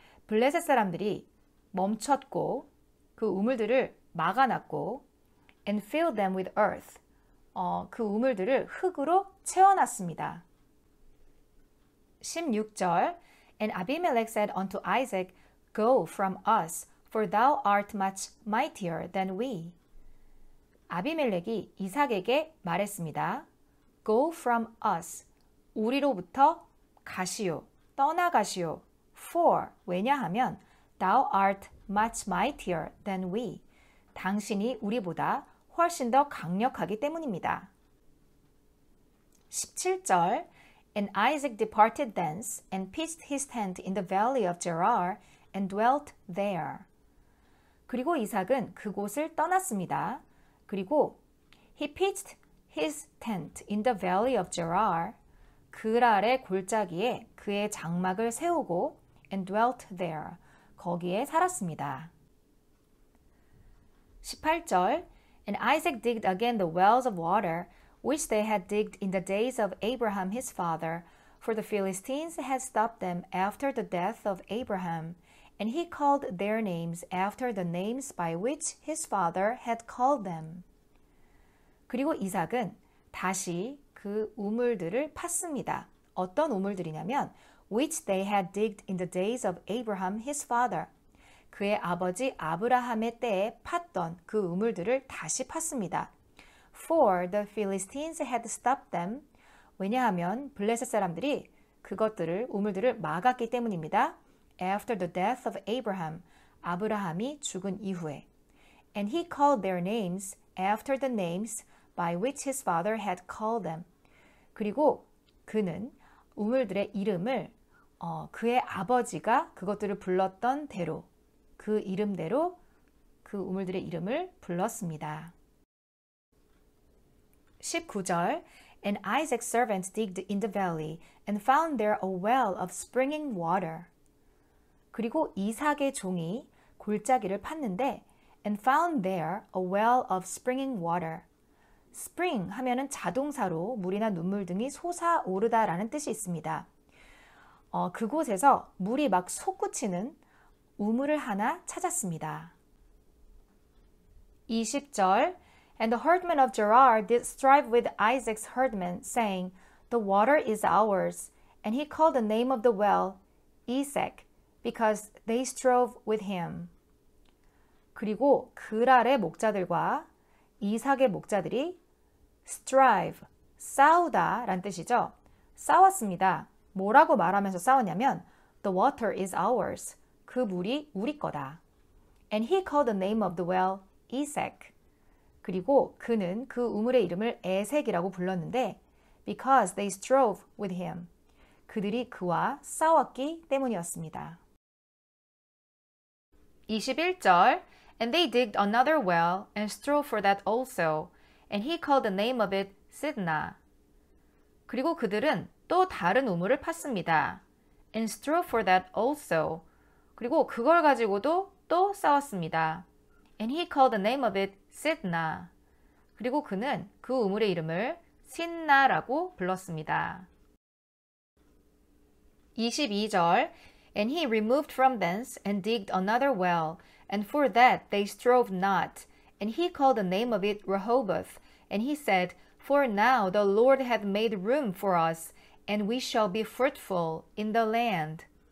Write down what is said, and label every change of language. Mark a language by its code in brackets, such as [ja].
[ko] 블레셋 사람들이 멈췄고 그 우물들을 막아놨고 [en] And filled them with earth. [ko] 그 우물들을 흙으로 채워놨습니다. 16절 [en] And Abimelech said unto Isaac, Go from us, for thou art much mightier than we. [ko] 아비멜렉이 이삭에게 말했습니다. [en] Go from us. [ko] 우리로부터 가시오. 떠나가시오. [en] For, [ko] 왜냐하면, [en] thou art much mightier than we. [ko] 당신이 우리보다 훨씬 더 강력하기 때문입니다. [en] 17절 And Isaac departed thence and pitched his tent in the valley of Gerar and dwelt there. [ko] 그리고 이삭은 그곳을 떠났습니다. 그리고 [en] he pitched his tent in the valley of Gerar. [ko] 그랄의 골짜기에 그의 장막을 세우고 [en] and dwelt there. [ko] 거기에 살았습니다. [en] 18절 And Isaac digged again the wells of water which they had digged in the days of Abraham his father, for the Philistines had stopped them after the death of Abraham, and he called their names after the names by which his father had called them. [ko] 그리고 이삭은 다시 그 우물들을 팠습니다. 어떤 우물들이냐면, [en] which they had digged in the days of Abraham his father. [ko] 그의 아버지 아브라함의 때에 팠던 그 우물들을 다시 팠습니다. [en] For the Philistines had stopped them. [ko] 왜냐하면 블레셋 사람들이 그것들을 우물들을 막았기 때문입니다. [en] After the death of Abraham, [ko] 아브라함이 죽은 이후에. [en] And he called their names after the names by which his father had called them. [ko] 그리고 그는 우물들의 이름을 그의 아버지가 그것들을 불렀던 대로 그 이름대로 그 우물들의 이름을 불렀습니다. [en] 19절 And Isaac's servants digged in the valley and found there a well of springing water. [ko] 그리고 이삭의 종이 골짜기를 팠는데 [en] and found there a well of springing water. [ko] spring 하면은 자동사로 물이나 눈물 등이 솟아오르다라는 뜻이 있습니다. 그곳에서 물이 막 솟구치는 우물을 하나 찾았습니다. [en] 20절 And the herdmen of Gerar did strive with Isaac's herdmen, saying, The water is ours. And he called the name of the well, Isaac, because they strove with him. [ko] 그리고 그랄의 목자들과 이삭의 목자들이 strive, 싸우다 라는 뜻이죠. 싸웠습니다. 뭐라고 말하면서 싸웠냐면 [en] the water is ours, [ko] 그 물이 우리 거다. [en] And he called the name of the well Esek. [ko] 그리고 그는 그 우물의 이름을 에색이라고 불렀는데 [en] because they strove with him. [ko] 그들이 그와 싸웠기 때문이었습니다. [en] 21절 And they digged another well and strove for that also. And he called the name of it Sidna. [ko] 그리고 그들은 또 다른 우물을 팠습니다. [en] And strove for that also. [ko] 그리고 그걸 가지고도 또 싸웠습니다. [en] And he called the name of it Sidna. [ko] 그리고 그는 그 우물의 이름을 신나라고 불렀습니다. [en] 22절 And he removed from thence and digged another well, and for that they strove not. And he called the name of it Rehoboth, and he said, For now the Lord hath made room for us, and we shall be fruitful in the land.